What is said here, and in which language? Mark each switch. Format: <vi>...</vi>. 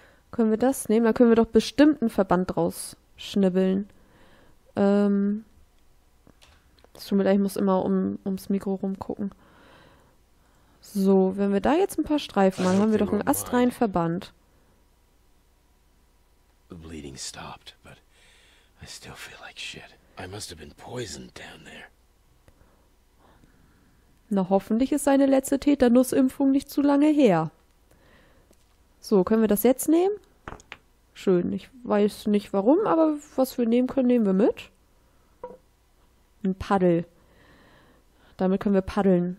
<de>Können wir das nehmen? Da können wir doch bestimmt einen Verband draus schnibbeln. Es tut mir leid, ich muss immer ums Mikro rumgucken. So, wenn wir da jetzt ein paar Streifen machen, haben wir doch einen astreinen Verband.</de> <en>The bleeding stopped, but I still feel like shit. I must have been poisoned down there.</en> <de>Na, hoffentlich ist seine letzte Tetanusimpfung nicht zu lange her. So, können wir das jetzt nehmen? Schön, ich weiß nicht warum, aber was wir nehmen können, nehmen wir mit. Ein Paddel. Damit können wir paddeln.</de>